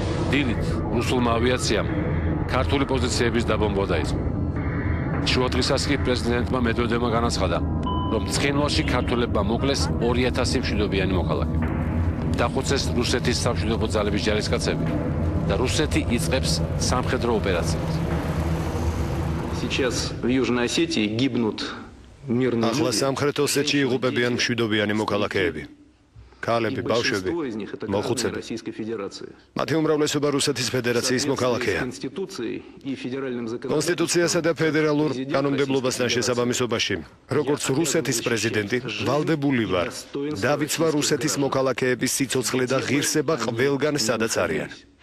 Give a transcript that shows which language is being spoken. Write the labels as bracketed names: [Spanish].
[Georgian] დილით რუსულმა ავიაციამ ქართული პოზიციების დაბომბვა დაიწყო. შუადღისას კი პრეზიდენტმა მედვედევმა განაცხადა, რომ ცხინვალში ქართველებმა მოკლეს 2000 მშვიდობიანი მოქალაქე. დახოცეს რუსეთის სამშვიდობო ძალების ჯარისკაცები და რუსეთი იწყებს სამხედრო ოპერაციებს. [Russian] Сейчас в Южной Осетии гибнут мирные люди. [Georgian] Ахла სამხრეთ ოსეთში იღუპებიან მშვიდობიანი მოქალაქეები. ქალები, ბავშვები, მოხუცები. მათი უმრავლესობა რუსეთის ფედერაციის მოქალაქეა. კონსტიტუციასა და ფედერალურ კანონმდებლობასთან შესაბამისობაში, როგორც რუსეთის პრეზიდენტი, ვალდებული ვარ დავიცვა რუსეთის მოქალაქეების სიცოცხლე და ღირსება ყველგან, სადაც არიან.